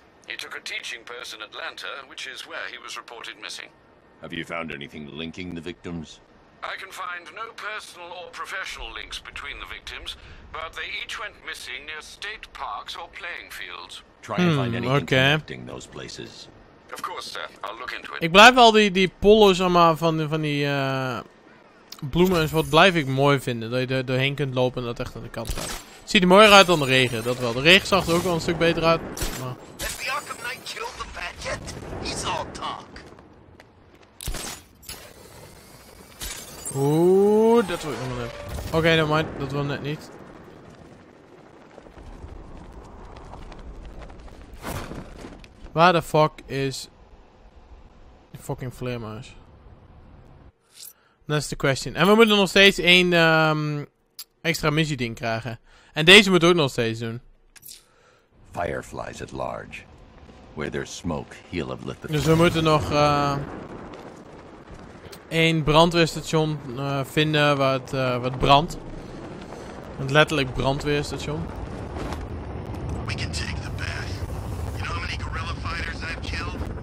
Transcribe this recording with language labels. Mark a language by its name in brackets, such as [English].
[English] He took a teaching post in Atlanta, which is where he was reported missing. Have you found anything linking the victims? I can find no personal or professional links between the victims, but they each went missing near state parks or playing fields. Try and find anything connecting those places. Of course, sir. I'll look into it. [Dutch] Ik blijf al die pollen, zeg maar, van die bloemen en wat blijf ik mooi vinden. Dat je er doorheen kunt lopen en dat echt aan de kant gaat. Het ziet er mooier uit dan de regen, dat wel. De regen zag er ook wel een stuk beter uit, maar... [English] Has the Arkham Knight killed the bat yet? He's all talk. [Dutch] Oeh, dat wil ik nog even. Oké, [English] never mind. [Dutch] Dat wil net niet. Waar de fuck is... ...die fucking vleermuis? [English] That's the question. [Dutch] En we moeten nog steeds één extra missieding krijgen. En deze moeten we ook nog steeds doen. [English] Fireflies at large. Where there's smoke, heal of lithium. [Dutch] Dus we moeten nog... Een brandweerstation vinden wat brandt. Een letterlijk brandweerstation. [English] We can take the bath. You know how many guerrilla fighters I've killed?